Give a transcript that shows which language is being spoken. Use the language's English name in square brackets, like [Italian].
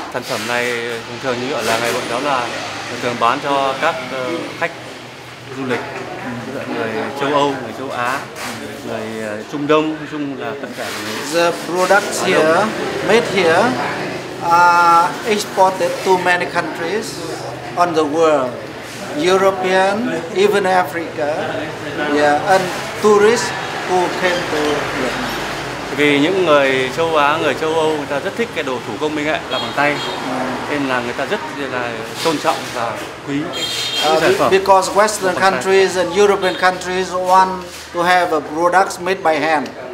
[Vietnamese] Sản phẩm này thường thường như gọi là ngày hội đó là thường bán cho các khách du lịch, người châu Âu, người châu Á, người Trung Đông, nói chung là tất cả. [English] The products here, made here, are exported to many countries on the world. European, even Africa, yeah, and tourists who came to Vietnam. [Vietnamese] Vì những người châu Á, người châu Âu, người ta rất thích cái đồ thủ công minh nghệ làm bằng tay, nên là người ta rất là tôn trọng và quý cái sản phẩm. [English] Because Western countries and European countries want to have a products made by hand.